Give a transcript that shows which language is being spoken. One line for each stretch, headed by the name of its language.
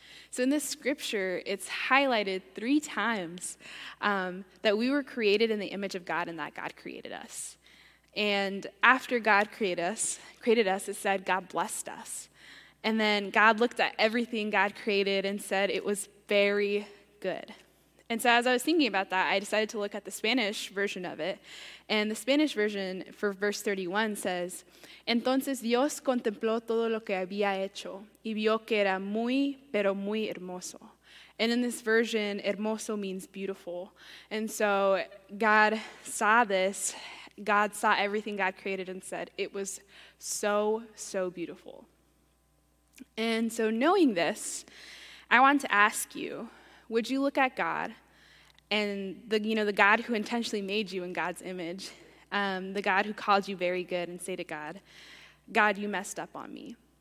English: So in this scripture, it's highlighted three times that we were created in the image of God and that God created us. And after God created us, it said God blessed us. And then God looked at everything God created and said it was very good. And so as I was thinking about that, I decided to look at the Spanish version of it. And the Spanish version for verse 31 says,
Spanish: "Entonces Dios contempló todo lo que había hecho y vio que era muy, pero muy hermoso."
English: And in this version, hermoso means beautiful. And so God saw this. God saw everything God created and said, it was so, so beautiful. And so knowing this, I want to ask you, would you look at God and the God who intentionally made you in God's image, the God who called you very good, and say to God, "God, you messed up on me.